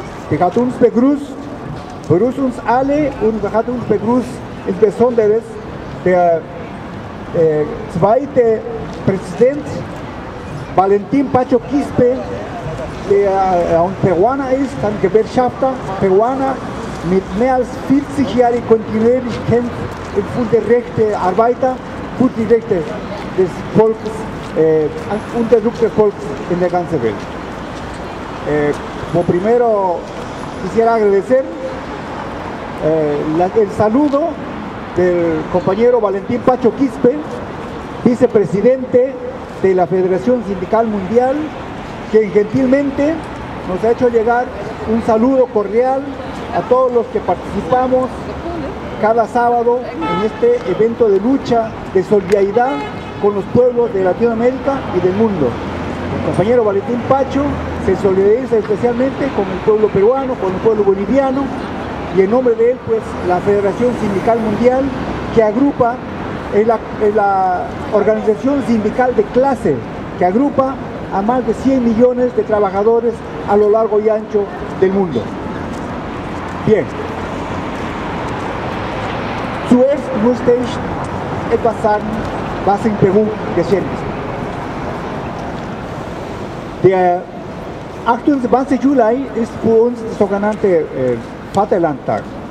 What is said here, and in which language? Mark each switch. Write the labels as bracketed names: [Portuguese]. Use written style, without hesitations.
[German] Die hat uns begrüßt uns alle und hat uns begrüßt, insbesondere der zweite Präsident, Valentin Pacho Quispe, der ein Peruaner ist, ein Gewerkschafter, Peruaner, mit mehr als 40 Jahren kontinuierlich kämpft für die Rechte Arbeiter, für die Rechte des Volkes, unterdrückte Volkes in der ganzen Welt. [Spanish] Primero quisiera agradecer el saludo del compañero Valentín Pacho Quispe, vicepresidente de la Federación Sindical Mundial, que gentilmente nos ha hecho llegar un saludo cordial a todos los que participamos cada sábado en este evento de lucha, de solidaridad con los pueblos de Latinoamérica y del mundo. El compañero Valentín Pacho se solidariza especialmente con el pueblo peruano, con el pueblo boliviano, y en nombre de él, pues, la Federación Sindical Mundial, que agrupa, es la organización sindical de clase, que agrupa a más de 100 millones de trabajadores a lo largo y ancho del mundo. Bien. [German] Zuerst musste ich etwas sagen, was in Peru geschehen ist. Der 28. Juli ist für uns der sogenannte Vaterlandtag.